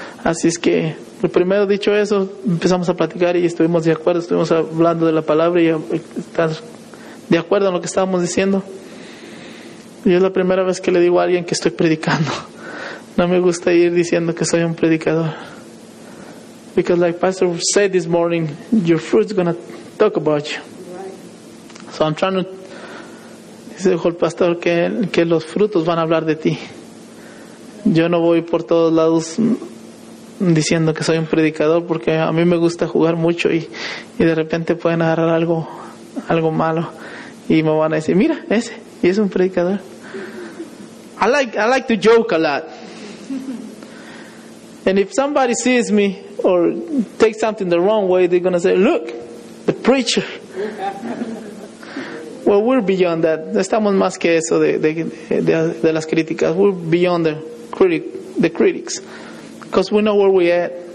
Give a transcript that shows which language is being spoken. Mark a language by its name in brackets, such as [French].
[Spanish] Así es que, lo primero dicho eso, empezamos a platicar y estuvimos de acuerdo, estuvimos hablando de la palabra y estar de acuerdo en lo que estábamos diciendo. Y es la primera vez que le digo a alguien que estoy predicando. No me gusta ir diciendo que soy un predicador. [English] Because like Pastor said this morning, your fruit's going to talk about you. So I'm trying to... [Spanish] Dice el pastor que los frutos van a hablar de ti. Yo no voy por todos lados diciendo que soy un predicador, porque a mí me gusta jugar mucho y de repente pueden agarrar algo malo y me van a decir, mira, ese, y es un predicador. [English] I like to joke a lot. And if somebody sees me or takes something the wrong way, they're going to say, look, the preacher. Well, we're beyond that. [Spanish] Estamos más que eso de las críticas. [English] We're beyond the critics. Because we know where we're at.